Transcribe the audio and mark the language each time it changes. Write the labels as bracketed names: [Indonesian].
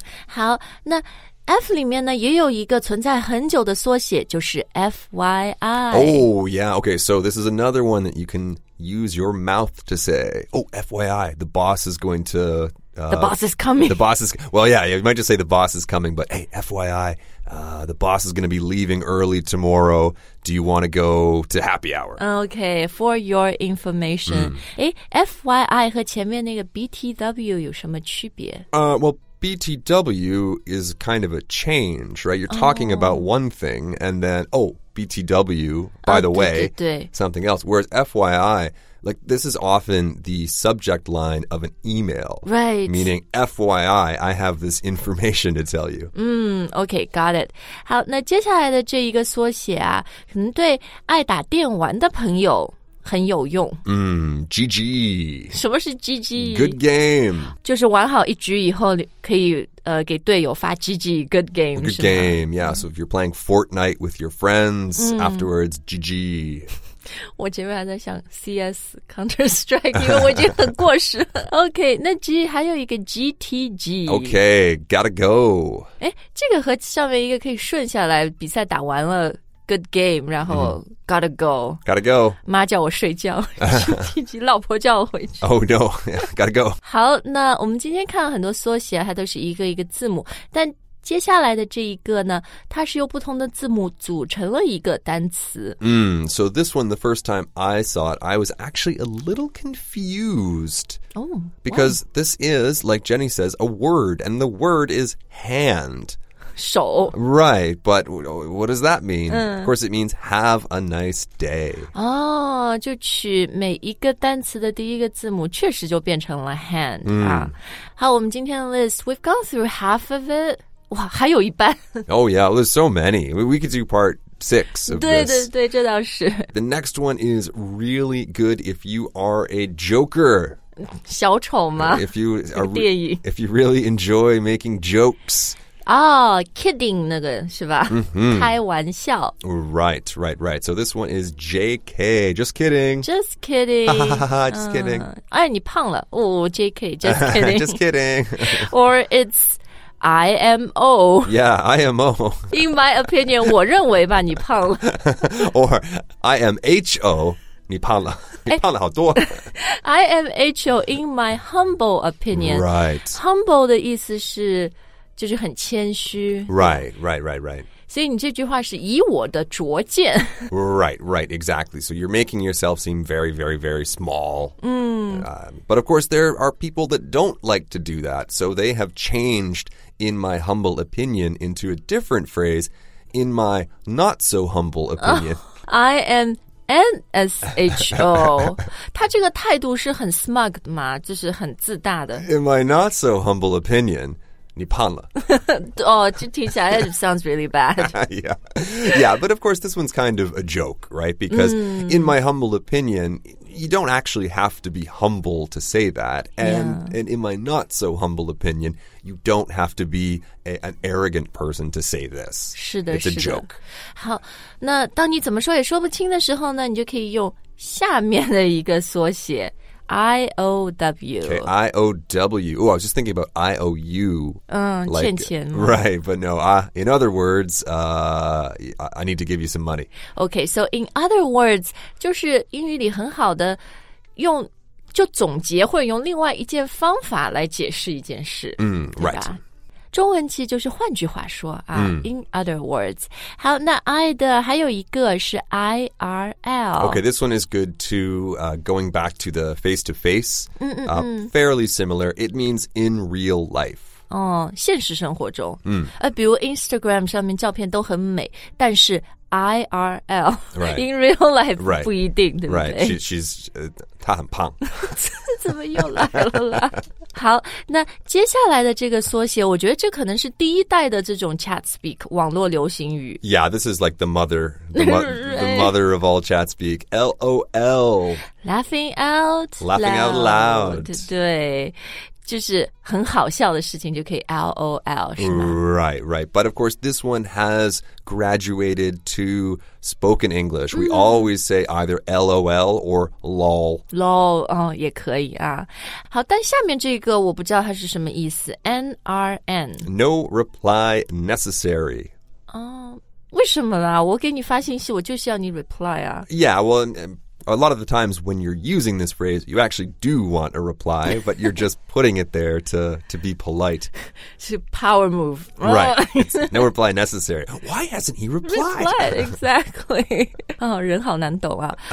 [Chinese] 好那 F 里面呢也有一个存在很久的缩写就是 FYI. [English] Oh, yeah, okay, so this is another one that you can use your mouth to say, oh, FYI, the boss is going to... the boss is coming. The boss is, well, yeah, you might just say the boss is coming, but hey, FYI, the boss is going to be leaving early tomorrow. Do you want to go to happy hour? Okay, for your information. [Chinese] FYI 和前面那个 BTW 有什么区别？ [English] Well, BTW is kind of a change, right? You're talking about one thing and then, oh, BTW, by the way, [Chinese] 对对对 [English] something else. Whereas FYI... Like, this is often the subject line of an email. Right. Meaning, FYI, I have this information to tell you. Okay, got it. [Chinese] 好，那接下来的这一个缩写啊，可能对爱打电玩的朋友很有用。 [English] GG. [Chinese] 什么是 GG? [English] Good game. [Chinese] 就是玩好一局以后可以给队友发 GG, [English] good game. Good game, yeah. So if you're playing Fortnite with your friends, afterwards, GG. [Chinese] 我前面还在想 CS Counter Strike 因为我已经很过时了 OK 那 G 还有一个 GTG [English] OK gotta go [Chinese] 这个和上面一个可以顺下来比赛打完了 [English] Good game [Chinese] 然后、 [English] gotta go gotta go [Chinese] 妈叫我睡觉 GTG 老婆叫我回去 [English] Oh no gotta go [Chinese] 好那我们今天看了很多缩写它都是一个一个字母但接下来的这一个呢它是由不同的字母组成了一个单词。 [English] So this one, the first time I saw it, I was actually a little confused. Because this is, like Jenny says, a word, and the word is hand. [Chinese] 手。 [English] Right, but what does that mean? Of course, it means have a nice day. [Chinese] 就取每一个单词的第一个字母确实就变成了 hand. 好我们今天的 [English] list, we've gone through half of it. [Chinese] 哇还有一半 [English] Oh yeah, there's so many. We could do part six of [Chinese] 对 [English] this. [Chinese] 对对对这倒是 [English] The next one is really good if you are a joker. [Chinese] 小丑吗 [English] If you really enjoy making jokes. [Chinese] Kidding 那个是吧、开玩笑 [English] Right, right, right. So this one is JK. Just kidding. Just kidding. just kidding. [Chinese] 哎你胖了、JK, [English] just kidding. just kidding. Or it'sIMO. Yeah, IMO. In my opinion, [Chinese] 我认为吧你胖了。 Or IMHO, 你胖了。你胖了好多。 [English] IMHO, in my humble opinion. Right. [Chinese] Humble 的意思是就是很谦虚。 [English] Right, right, right, right. [Chinese] 所以你这句话是以我的拙见。 [English] Right, right, exactly. So you're making yourself seem very, very, very small. But of course, there are people that don't like to do that. So they have changed... In my humble opinion, into a different phrase, in my not so humble opinion. I am NSHO. [Chinese] 他这个态度是很 smug 的嘛，就是很自大的。 [English] In my not so humble opinion, [Chinese] 你胖了。哦，这听起来 [English] it sounds really bad. yeah, but of course, this one's kind of a joke, right? Because in my humble opinion, you don't actually have to be humble to say that. And,and in my not so humble opinion,You don't have to be an arrogant person to say this. [Chinese] 是的 [English] It's a joke. [Chinese] 好那当你怎么说也说不清的时候呢你就可以用下面的一个缩写 IOW. [English] Okay, IOW. Oh, I was just thinking about IOU. [Chinese] 欠钱吗 [English] Right, but no. In other words, I need to give you some money. [Chinese] Okay, so [English] in other words, [Chinese] 就是英语里很好的用就总结或者用另外一件方法来解释一件事， [English] right. [Chinese] 中文其实就是换句话说啊、 [English] in other words. [Chinese] 好，那 I 的还有一个是 IRL. [English] Okay, this one is good too, going back to the face-to-face. Fairly similar. It means in real life. [Chinese] 哦，现实生活中，比如 Instagram 上面照片都很美，但是 IRL、 [English] right. in real life、right. [Chinese] 不一定，对不对 [English] ？Right, she's [Chinese] 她很胖。怎么又来了啦？好，那接下来的这个缩写，我觉得这可能是第一代的这种 chat speak 网络流行语。 [English] Yeah, this is like the mother of all chat speak. LOL, laughing out loud. [Chinese] 对。就是很好笑的事情就可以 LOL, 是吗 [English] Right, right. But of course, this one has graduated to spoken English. We always say either LOL or LOL. [Chinese] LOL, 哦，也可以啊。好，但下面这个我不知道它是什么意思。 [English] NRN. No reply necessary. [Chinese] 哦，为什么啦？我给你发信息，我就是要你 reply 啊。 [English] Yeah, well, a lot of the times when you're using this phrase, you actually do want a reply, but you're just putting it there to be polite. It's a power move. Right. No reply necessary. Why hasn't he replied? Exactly. [Chinese] 人好难懂啊。